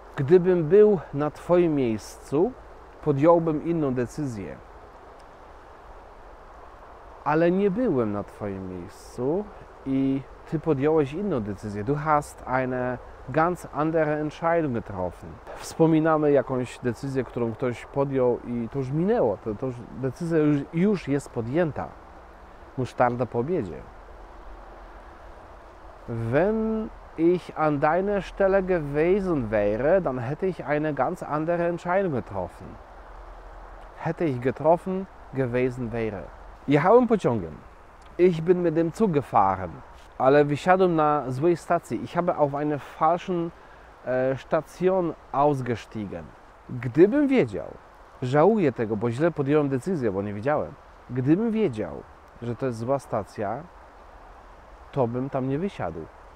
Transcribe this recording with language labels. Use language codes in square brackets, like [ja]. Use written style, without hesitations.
[pl] Gdybym był na Twoim miejscu, podjąłbym inną decyzję. Ale nie byłem na Twoim miejscu i Ty podjąłeś inną decyzję. [de] Du hast eine ganz andere Entscheidung getroffen. [pl] Wspominamy jakąś decyzję, którą ktoś podjął i to już minęło. To już, decyzja już jest podjęta. Musztarda po obiedzie. [de] Wenn ich an deiner Stelle gewesen wäre, dann hätte ich eine ganz andere Entscheidung getroffen. Hätte ich getroffen, gewesen wäre. [pl] Jechałem pociągiem. [de] Ich bin mit dem Zug gefahren. [pl] Ale wysiadłem na złej stacji. [de] Ich habe auf eine falsche Station ausgestiegen. [pl] Gdybym wiedział, żałuję tego, bo źle podjąłem decyzję, bo nie wiedziałem. Gdybym wiedział, że to jest zła stacja, to bym tam nie wysiadł.